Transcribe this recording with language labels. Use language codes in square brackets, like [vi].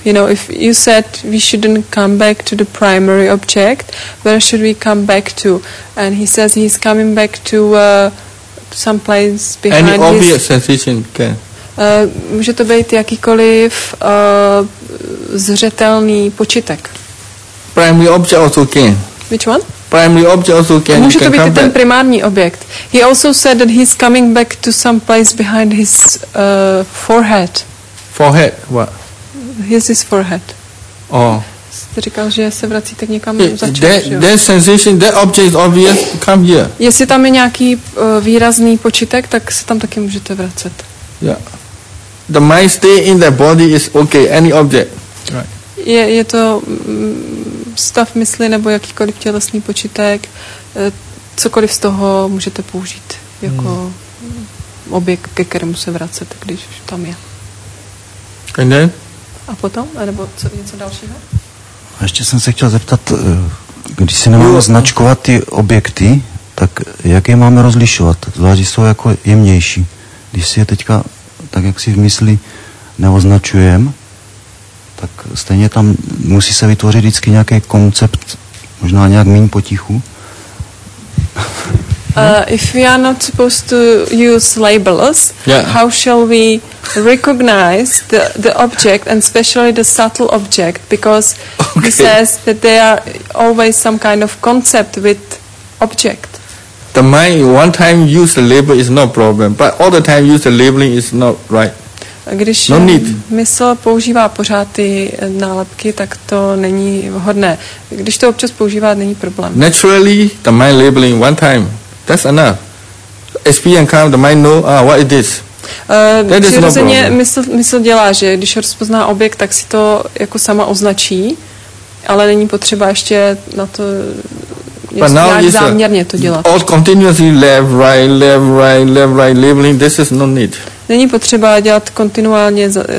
[en] You know, if you said we shouldn't come back to the primary object, where should we come back to? And he says he's coming back to some place behind any his... Any obvious sensation can. Může to být jakýkoliv zřetelný počitek. Primary object also can. Which one? Primary object also can. [cs] Může [en] can [cs] to být [en] come [cs] ten [en] back. Primární objekt. He also said that he's coming back to some place behind his forehead. Forehead? What? His forehead. Oh. [cs] Jste říkal, že se vracíte k někam začít. [en] That sensation, that object is obvious, come here. [cs] Jestli tam je nějaký výrazný počitek, tak se tam taky můžete vracet. [en] Yeah. The mind stay in the body is okay, any object. Right. [cs] Je to stav mysli nebo jakýkoliv tělesný počitek, cokoliv z toho můžete použít jako objekt, ke kterému se vracete, když už tam je. [en] And then? [cs] A potom? A nebo co, něco dalšího? Ještě jsem se chtěl zeptat, když si nemáme značkovat ty objekty, tak jak je máme rozlišovat? Zvlášť jsou jako jemnější. Když si je teďka, tak jak si v mysli neoznačujeme, tak stejně tam musí se vytvořit vždycky nějaký koncept, možná nějak méně potichu. [en] If we are not supposed to use labels, yeah. How shall we recognize the object and especially the subtle object? Because okay. He says that there are always some kind of concept with object. The mind one time use the label is no problem, but all the time use the labeling is not right. [cs] Když mysl používá pořád ty nálepky, tak to není vhodné. Když to občas používá, není problém. [en] Naturally, the mind labeling one time, that's enough. SP and calm, the mind know, what is this? [cs] Přirozeně mysl dělá, že když rozpozná objekt, tak si to jako sama označí, ale není potřeba ještě na to... [en] But now [cs] it's záměrně to dělat. [en] All continuously left, right, labeling, this is no need. [cs] Není potřeba dělat kontinuálně